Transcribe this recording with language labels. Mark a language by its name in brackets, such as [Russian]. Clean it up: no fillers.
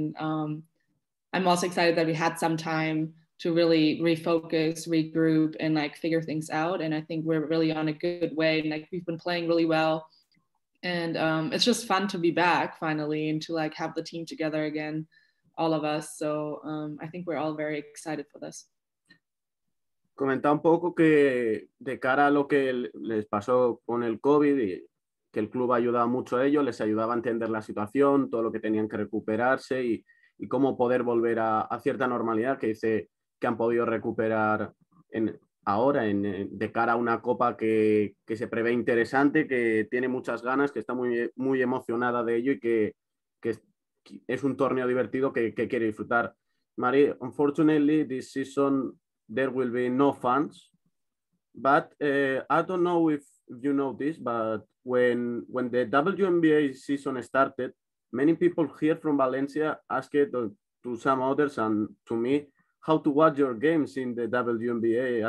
[English] And I'm also excited that we had some time to really refocus, regroup, and like figure things out. And I think we're really on a good way. And like we've been playing really well. And it's just fun to be back finally and to like have the team together again. All of us. So I think we're all very excited for this. [Spanish] Comentaba un poco que de cara a lo que les pasó con el COVID y que el club ayudaba mucho a ellos, les ayudaba a entender la situación, todo lo que tenían que recuperarse y cómo poder volver a cierta normalidad que dice que han podido recuperar de cara a una copa que se prevé interesante, que tiene muchas ganas, que está muy, muy emocionada de ello y que es un torneo divertido que quiere disfrutar. [English] Marie, unfortunately, this season there will be no fans, but I don't know if you know this, but when the WNBA season started, many people here from Valencia asked it to some others and to me how to watch your games in the WNBA.